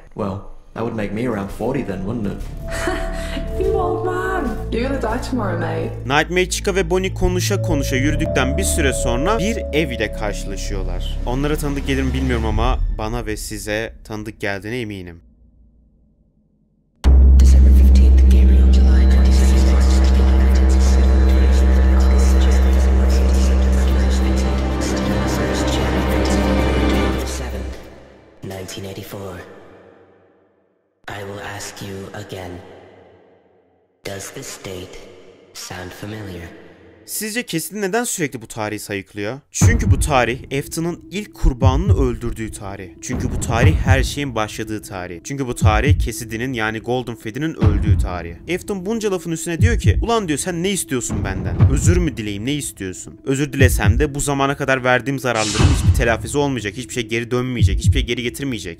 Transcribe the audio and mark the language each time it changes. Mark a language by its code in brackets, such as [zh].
[en] Well, that would make me around 40 then, wouldn't it? You old man. You're gonna die tomorrow, mate. [tr] Nightmare, Chica ve Bonnie konuşa konuşa yürüdükten bir süre sonra bir ev ile karşılaşıyorlar. Onlara tanıdık gelir mi bilmiyorum ama bana ve size tanıdık geldiğine eminim. [en] I will ask you again. Does this date sound familiar? [tr] Sizce Cassidy neden sürekli bu tarihi sayıklıyor? Çünkü bu tarih Afton'un ilk kurbanını öldürdüğü tarih. Çünkü bu tarih her şeyin başladığı tarih. Çünkü bu tarih Cassidy'nin yani Golden Fade'nin öldüğü tarih. Afton bunca lafın üstüne diyor ki, ulan diyor sen ne istiyorsun benden? Özür mü dileyim, ne istiyorsun? Özür dilesem de bu zamana kadar verdiğim zararların hiçbir telafisi olmayacak, hiçbir şey geri dönmeyecek, hiçbir şey geri getirmeyecek.